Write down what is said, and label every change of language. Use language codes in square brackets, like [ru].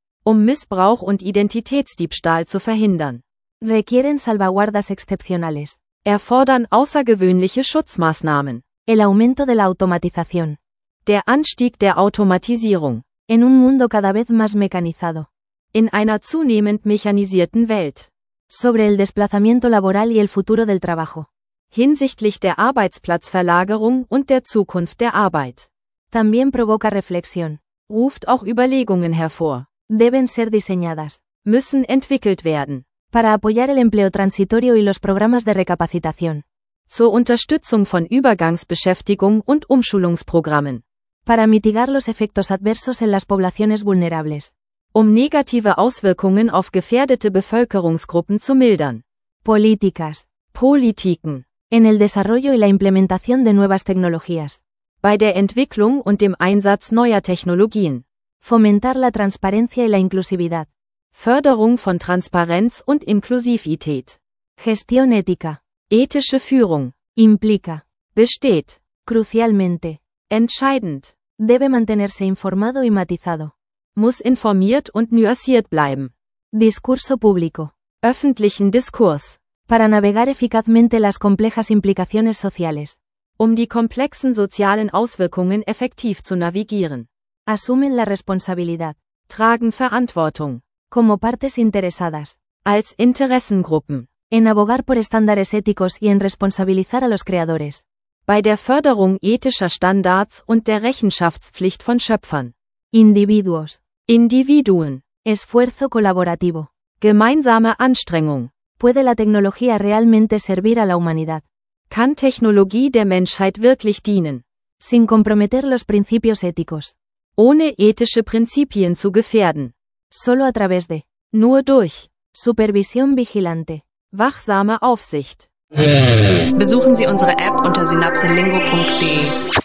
[de] Um Missbrauch und Identitätsdiebstahl zu verhindern. [es] Requieren salvaguardas excepcionales. [de] Erfordern außergewöhnliche Schutzmaßnahmen. [es] El aumento de la automatización. [de] Der Anstieg der Automatisierung. [es] En un mundo cada vez más mecanizado. [de] In einer zunehmend mechanisierten Welt. [es] Sobre el desplazamiento laboral y el futuro del trabajo. [de] Hinsichtlich der Arbeitsplatzverlagerung und der Zukunft der Arbeit. [es] También provoca reflexión. [de] Ruft auch Überlegungen hervor. [es] Deben ser diseñadas. [de] Müssen entwickelt werden. [es] Para apoyar el empleo transitorio y los programas de recapacitación. [de] Zur Unterstützung von Übergangsbeschäftigung und Umschulungsprogrammen. [es] Para mitigar los efectos adversos en las poblaciones vulnerables. [de] Um negative Auswirkungen auf gefährdete Bevölkerungsgruppen zu mildern. [es] Políticas. [de] Politiken. [es] En el desarrollo y la implementación de nuevas tecnologías. [de] Bei der Entwicklung und dem Einsatz neuer Technologien. [es] Fomentar la transparencia y la inclusividad. [de] Förderung von Transparenz und Inklusivität. [es] Gestión ética. [de] Ethische Führung. [es] Implica. [de] Besteht. [es] Crucialmente. [de] Entscheidend. [es] Debe mantenerse informado y matizado. [de] Muss informiert und nuanciert bleiben. [es] Discurso público. [de] Öffentlichen Diskurs. [es] Para navegar eficazmente las complejas implicaciones sociales. [de] Um die komplexen sozialen Auswirkungen effektiv zu navigieren. [es] Asumen la responsabilidad. [de] Tragen Verantwortung. [es] Como partes interesadas. [de] Als Interessengruppen. [es] En abogar por estándares éticos y en responsabilizar a los creadores. [de] Bei der Förderung ethischer Standards und der Rechenschaftspflicht von Schöpfern. [es] Individuos. [de] Individuen. [es] Esfuerzo colaborativo. [de] Gemeinsame Anstrengung. [es] ¿Puede la tecnología realmente servir a la humanidad? [de] Kann Technologie der Menschheit wirklich dienen? [es] Sin comprometer los principios éticos. [de] Ohne ethische Prinzipien zu gefährden. [es] Solo a través de. [de] Nur durch. [es] Supervisión vigilante. [de] Wachsame Aufsicht. Besuchen Sie unsere App unter synapselingo.de.